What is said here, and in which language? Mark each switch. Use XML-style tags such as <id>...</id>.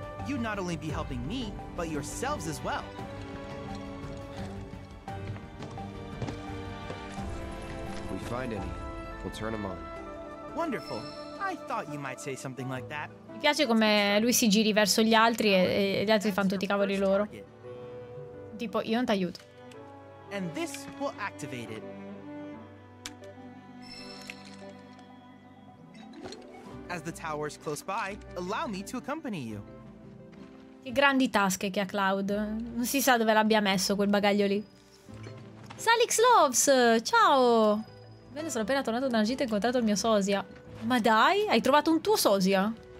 <en>You'd not only be helping me, but yourselves as well. If we find any, we'll turn them on. Wonderful. I thought you might say something like that.</en> <it>Mi piace come lui si giri verso gli altri e gli altri fanno tutti i cavoli loro. Tipo, io non ti aiuto.</it> <en>And this will activate it. As the tower's close by, allow me to accompany you.</en> <it>Che grandi tasche che ha Cloud. Non si sa dove l'abbia messo quel bagaglio lì. Salix Loves, ciao. Bene, sono appena tornato da una gita e ho incontrato il mio sosia. Ma dai, hai trovato un tuo sosia?</it>